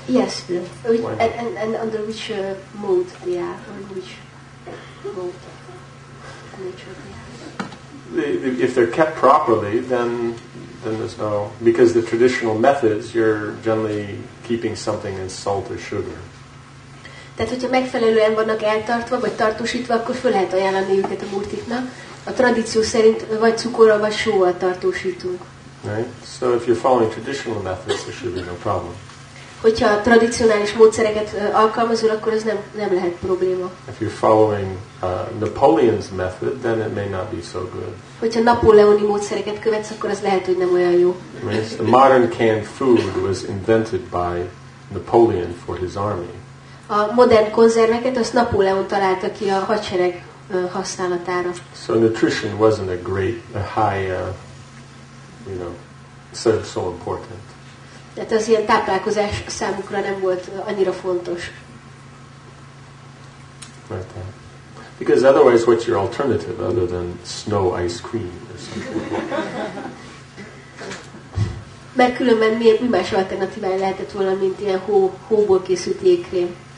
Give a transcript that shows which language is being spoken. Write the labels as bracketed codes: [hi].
[en] Yes, and under which mold they are, under which mold nature they are? If they're kept properly, then there's no, because the traditional methods, you're generally keeping something in salt or sugar. [hu] Tehát, hogyha megfelelően vannak eltartva, vagy tartósítva, akkor föl lehet ajánlani őket a murtiknak. A tradíció szerint vagy cukorral, vagy sóval tartósítunk. [en] Right? So if you're following traditional methods, there should be no problem. [hu] Hogyha a tradicionális módszereket alkalmazol, akkor ez nem lehet probléma. [en] If you're following Napoleon's method, then it may not be so good. [hu] Hogyha napóleoni módszereket követsz, akkor az lehet, hogy nem olyan jó. [en] Right? The modern canned food was invented by Napoleon for his army. [hu] A modern konzerveket azt Napóleon találta ki a hadsereg használatára. [en] So nutrition wasn't so important. [hu] Tehát az ilyen táplálkozás számukra nem volt annyira fontos. [en] Right. Because otherwise, what's your alternative other than snow ice cream or something? [hu] Mert különben mi más alternatívája lehetett volna, mint ilyen hóból készült jégkrém?